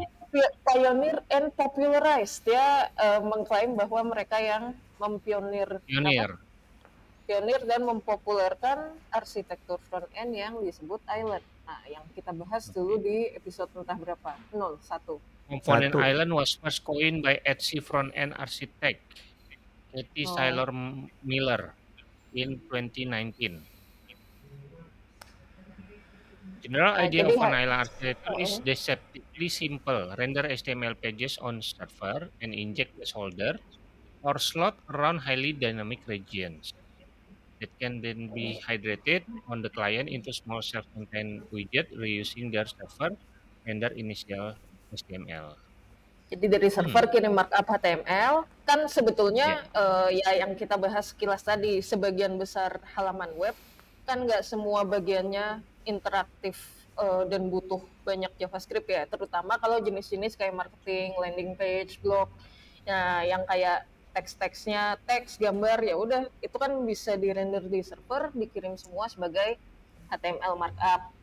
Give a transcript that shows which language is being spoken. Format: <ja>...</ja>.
<en>Astro pioneer and popularized.</en> <id>Dia mengklaim bahwa mereka yang mempionir apa? Pionir. Pionir dan mempopulerkan arsitektur front end yang disebut island. Nah, yang kita bahas dulu di episode entah berapa. 0, 1.</id> <en>Component Island was first coined by Etsy front-end architect Etsy Saylor Miller in 2019. General</en> <id>Nah,</id> <en>idea</en> <id>jadi</id> <en>of an island architecture is deceptively simple. Render HTML pages on server and inject placeholder or slot around highly dynamic regions that can then be hydrated on the client into small self-contained widget reusing their server render initial HTML.</en> <id>Jadi dari server kirim markup HTML, kan sebetulnya ya yang kita bahas sekilas tadi, sebagian besar halaman web kan nggak semua bagiannya interaktif dan butuh banyak JavaScript ya, terutama kalau jenis-jenis kayak marketing, landing page, blog, ya yang kayak teks-teksnya, teks, gambar, ya udah itu kan bisa dirender di server, dikirim semua sebagai HTML markup.</id>